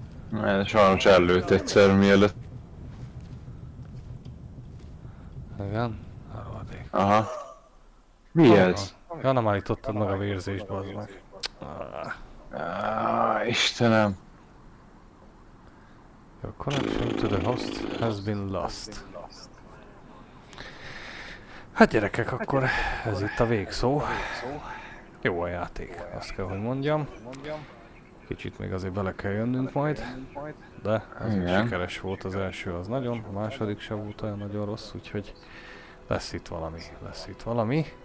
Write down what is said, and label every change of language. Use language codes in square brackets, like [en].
[hu] Na, sajnos ellőtt egyszer, mielőtt. Igen? A rohadék. Aha. Mi ez? Ja, nem állítottad meg a vérzést, bazd meg. Istenem. [en] Your connection to the host has been lost. [hu] Hát gyerekek, akkor ez itt a végszó. Jó a játék, azt kell, hogy mondjam. Kicsit még azért bele kell jönnünk majd. De ez is sikeres volt az első, az nagyon. A második sem volt olyan nagyon rossz, úgyhogy lesz itt valami, lesz itt valami.